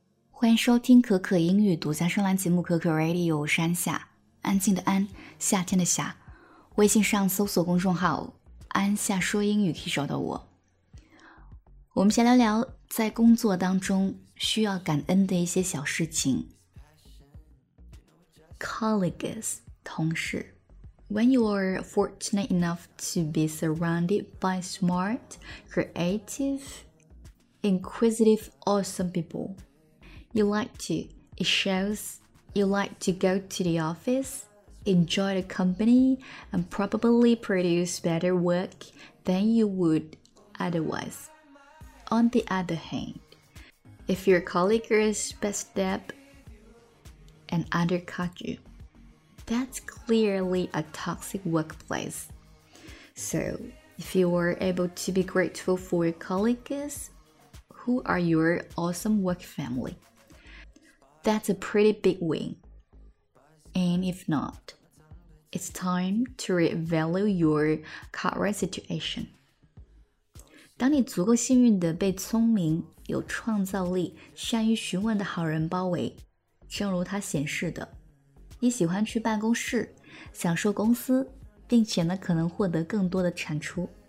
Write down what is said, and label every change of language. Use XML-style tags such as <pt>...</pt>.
<zh>欢迎收听可可英语独家声浪节目可可 Radio， 我是安夏，安静的安，夏天的夏。微信上搜索公众号安夏说英语可以找到我。我们先聊聊在工作当中需要感恩的一些小事情。</zh> <en>Colleagues， 同事。 When you are fortunate enough to be surrounded by smart, creative, inquisitive, awesome people,It shows you like to go to the office, enjoy the company, and probably produce better work than you would otherwise. On the other hand, if your colleague is backstabbing and undercut you, that's clearly a toxic workplace. So, if you are able to be grateful for your colleagues, who are your awesome work family? That's a pretty big win. And if not, it's time to reevaluate your current situation.</en> <zh>当你足够幸运地被聪明、有创造力、善于询问的好人包围，正如他显示的，你喜欢去办公室，享受公司，并且呢可能获得更多的产出。</zh>